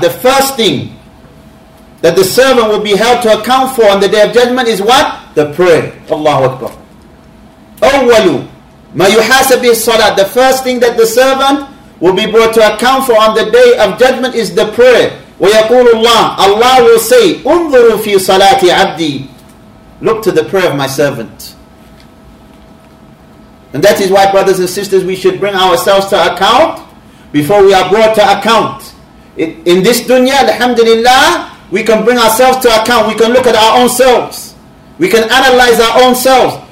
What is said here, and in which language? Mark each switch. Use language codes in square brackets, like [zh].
[en] The first thing that the servant will be held to account for on the Day of Judgment is what? The prayer. [ar] Allahu Akbar. أَوَّلُ مَا يُحَاسَبْ بِهِ الصَّلَاةِ. [en] The first thing that the servant will be brought to account for on the Day of Judgment is the prayer. [ar] وَيَقُولُ اللَّهُ. [en] Allah will say, [ar] أُنظُرُ فِي صَلَاةِ عَبْدِي. [en] Look to the prayer of my servant. And that is why, brothers and sisters, we should bring ourselves to account before we are brought to account. In this dunya, alhamdulillah, we can bring ourselves to account. We can look at our own selves. We can analyze our own selves.